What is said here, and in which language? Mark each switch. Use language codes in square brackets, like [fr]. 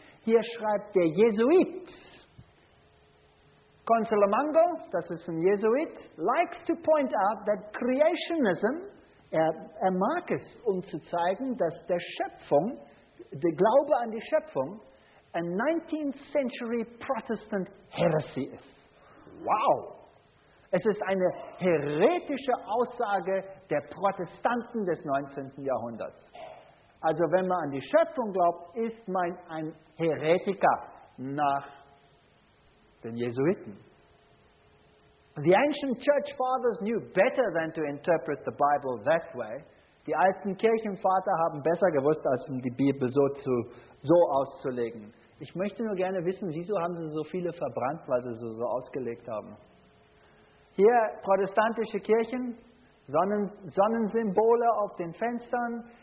[de] Hier schreibt der Jesuit, Consuelo Mango, das ist ein Jesuit, [en] likes to point out that creationism, [de] er mag es, um zu zeigen, dass der Schöpfung, der Glaube an die Schöpfung, [en] a 19th century Protestant heresy [de] ist. Wow! Es ist eine heretische Aussage der Protestanten des 19. Jahrhunderts. Also wenn man an die Schöpfung glaubt, ist man ein Heretiker nach den Jesuiten. [en] The ancient church fathers knew better than to interpret the Bible that way. [de] Die alten Kirchenväter haben besser gewusst, als die Bibel so auszulegen. Ich möchte nur gerne wissen, wieso haben sie so viele verbrannt, weil sie so ausgelegt haben. Hier protestantische Kirchen, Sonnensymbole auf den Fenstern.